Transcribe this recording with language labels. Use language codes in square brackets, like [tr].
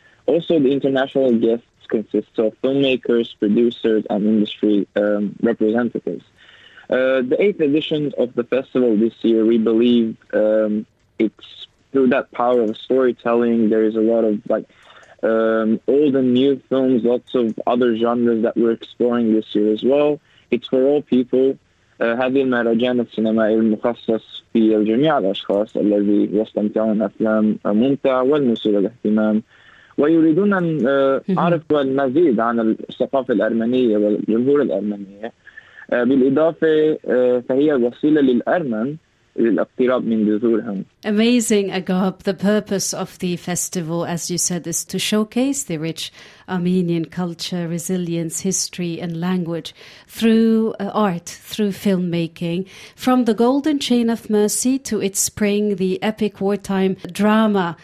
[en] Also, the international guests consist of filmmakers, producers, and industry representatives. The 8th edition of the festival this year, we believe it's through that power of storytelling. There is a lot of like old and new films, lots of other genres that we're exploring this year as well. It's for all people. [ar] هذه المهرجان السينمائي المخصص في جميع الأشخاص الذي يستمتعون أفلام ممتعة والمثيرة للاهتمام ويريدون أن يعرفوا المزيد عن الثقافة الأرمنية والجمهور الأرمنية. بالإضافة فهي وسيلة للأرمن للاقتراب من جذورهم. [en] Amazing, Agab. The purpose of the festival, as you said, is to showcase the rich Armenian culture, resilience, history, and language through art, through filmmaking. From The Golden Chain of Mercy to Its Spring, the epic wartime drama.